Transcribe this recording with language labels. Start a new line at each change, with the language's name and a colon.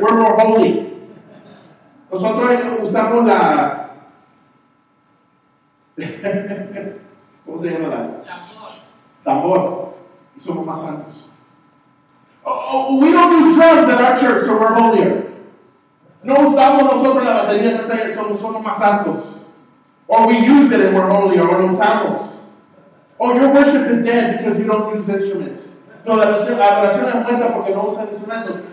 English: We're more holy.
Spanish: Nosotros usamos la... ¿Cómo se llama la? Tambor. Y somos más santos.
English: Oh, we don't use drums at our church, so we're holier.
Spanish: No usamos nosotros la batería, no sé, somos más santos.
English: Or we use it and we're holier, or
Spanish: no usamos.
English: Or your worship is dead because you don't use instruments.
Spanish: No, la adoración es muerta porque no usan instrumentos.